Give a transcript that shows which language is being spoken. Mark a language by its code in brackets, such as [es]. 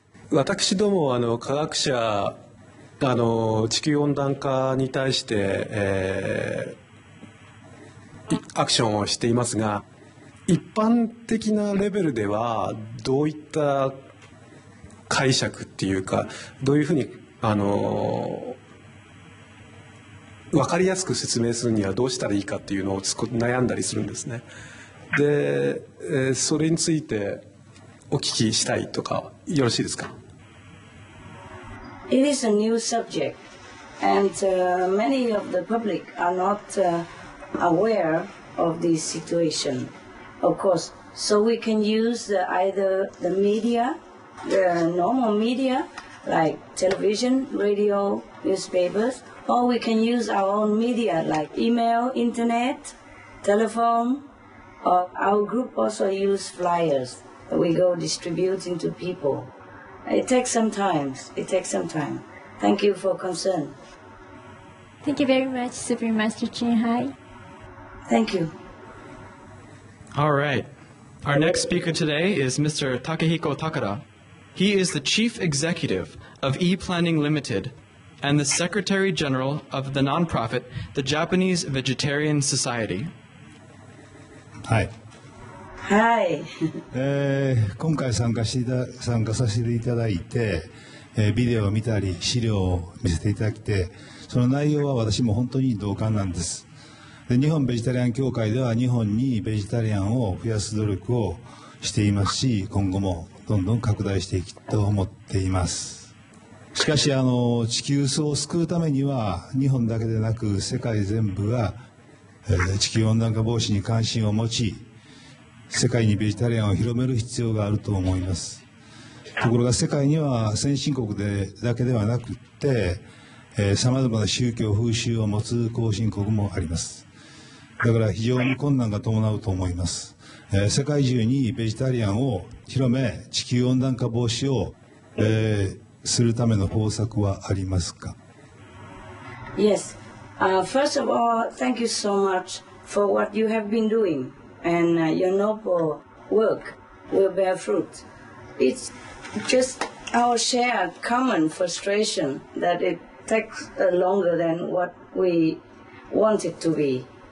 [ja] 私どもあの科学者あの地球温暖化に対して、アクションをしていますが一般的なレベルではどういった解釈っていうかどういうふうにあの分かりやすく説明するにはどうしたらいいかっていうのを悩んだりするんですね。で、それについてお聞きしたいとかよろしいですか？ [en] It is a new subject, and many of the public are not aware of this situation, of course. So we can use either the media, the normal media, like television, radio, newspapers, or we can use our own media, like email, internet, telephone, or our group also use flyers that we go distributing to people. It takes some time. Thank you for concern. Thank you very much, Supreme Master Chinhai. Thank you. All right. Our next speaker today is Mr. Takehiko Takara. He is the chief executive of E-Planning Limited and the secretary general of the nonprofit, the Japanese Vegetarian Society. Hi. [ja] はい、今回参加させていただいて、ビデオを見たり資料を見せていただいてその内容は私も本当に同感なんです。で日本ベジタリアン協会では日本にベジタリアンを増やす努力をしていますし今後もどんどん拡大していくと思っています。しかしあの地球層を救うためには日本だけでなく世界全部が、地球温暖化防止に関心を持ち世界にベジタリアンを広める必要があると思います。ところが世界には先進国でだけではなくて、さまざまな宗教風習を持つ後進国もあります。だから非常に困難が伴うと思います。世界中にベジタリアンを広め地球温暖化防止を、するための方策はありますか？ [en] Yes, first of all, thank you so much for what you have been doingand your noble work will bear fruit. It's just our shared common frustration that it takes longer than what we want it to be.